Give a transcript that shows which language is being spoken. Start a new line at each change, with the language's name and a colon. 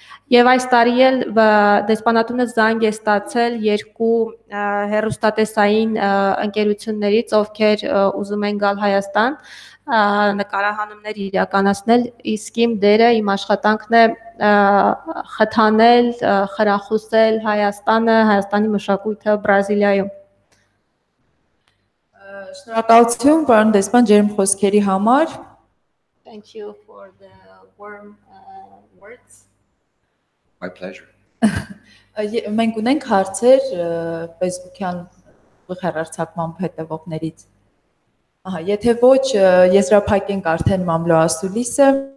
Armenian: Եվ այս տարի էլ դեսպանատունը զանգ է ստացել երկու հեռուստատեսային ընկերություններից, ովքեր ուզում են գալ Հայաստան նկարահանումներ իրականացնել, իսկ իմ դերը, իմ աշխատանքն է խթանել, խրախուսել Հայաստանը, Հայաստանի մշակույթը Բրազիլիայում։ Շնորհակալություն, պարոն դեսպան, ձեր խոսքերի համար։
English: Thank you for the warm words. My pleasure.
Armenian: Մենք ունենք հարցեր Facebook-յան հեռարձակման հետևողներից։ Ահա, եթե ոչ, եզրափակենք արդեն մամլո ասուլիսը։